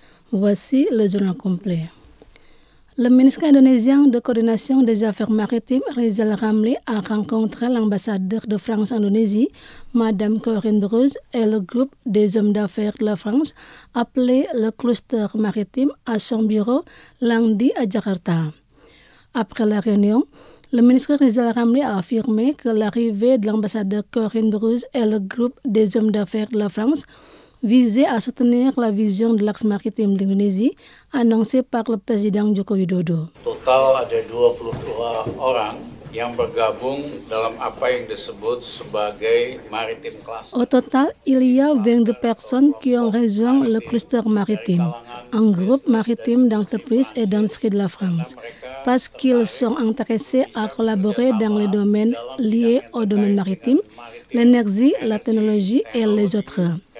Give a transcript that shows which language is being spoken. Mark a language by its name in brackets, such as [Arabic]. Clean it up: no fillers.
[French] Voici le journal complet. Le ministre indonésien de coordination des affaires maritimes, Rizal Ramli, a rencontré l'ambassadeur de France en Indonésie, Madame Corinne Druze, et le groupe des hommes d'affaires de la France, appelé le cluster maritime, à son bureau lundi à Jakarta. Après la réunion, le ministre Rizal Ramli a affirmé que l'arrivée de l'ambassadeur Corinne Druze et le groupe des hommes d'affaires de la France visait à soutenir la vision de l'axe maritime de l'Indonésie annoncée par le président Joko Widodo. [Indonesian] Total ada 22 orang yang bergabung dalam apa yang disebut sebagai maritime cluster. [French] Au total, il y a 22 personnes qui ont rejoint le cluster maritime, un groupe maritime d'entreprises et d'industries de la France, parce qu'ils sont intéressés à collaborer dans les domaines liés au domaine maritime, l'énergie, la technologie et les autres.